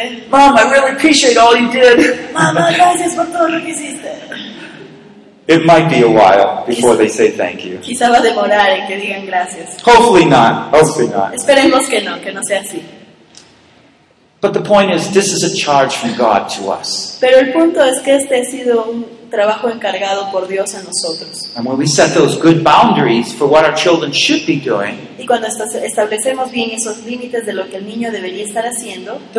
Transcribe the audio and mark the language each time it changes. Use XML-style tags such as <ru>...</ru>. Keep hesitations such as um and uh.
<en>Mom, I really appreciate all you did.</en> <es>Mama, gracias por todo lo que hiciste.</es> <en>It might be a while before they say thank you.</en> <es>Quizá demorar en que digan gracias.</es> <en>Hopefully not. Hopefully not.</en> <es>Esperemos que no, que no sea así.</es> <en>But the point is, this is a charge from God to us.</en> <es>Pero el punto es que este ha sido un trabajo encargado por Dios en nosotros.</es> <en>We set good for what our be doing,</en> <es>y cuando establecemos bien esos límites de lo que el niño debería estar haciendo,</es>